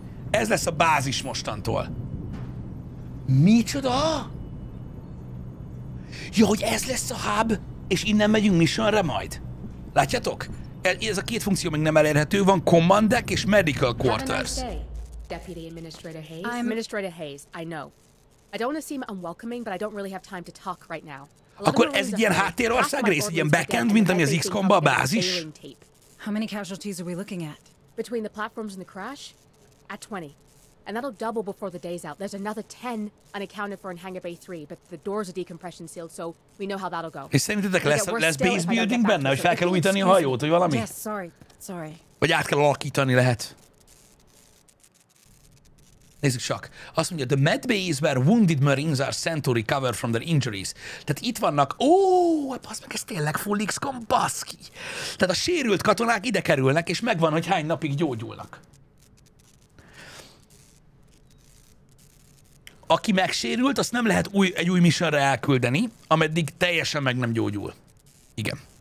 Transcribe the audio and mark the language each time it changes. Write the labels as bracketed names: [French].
[Hungarian] Ez lesz a bázis mostantól. Micsoda? Ja, hogy ez lesz a hub, és innen megyünk missionre majd. Látjátok? Ez a két funkció még nem elérhető, van command deck és medical quarters. [English] Deputy Administrator Hayes. I'm Administrator Hayes. I know. I don't want to seem unwelcoming, but I don't really have time to talk right now. [Hungarian] Akkor ez egy ilyen háttérország rész, egy ilyen backend, mint ami az XCOM-ba a bázis. [English] How many casualties are we looking at? Between the platforms and the crash? At 20. And that'll double before the day's out. There's another 10 unaccounted for in Hangar Bay 3, but the doors are decompression sealed, so we know how that'll go. [Hungarian] És szerintetek lesz base building benne, hogy fel kell újítani a hajót, vagy valami? [English] Yes, sorry, sorry. [Hungarian] Vagy át kell alakítani lehet. Nézzük csak. Azt mondja, [English] the med bays where wounded marines are sent to recover from their injuries. [Hungarian] Tehát itt vannak, ó, basz meg, ez tényleg full XCOM, baszki. Tehát a sérült katonák ide kerülnek, és megvan, hogy hány napig gyógyulnak. Aki megsérült, azt nem lehet egy új missionre elküldeni, ameddig teljesen meg nem gyógyul. Igen.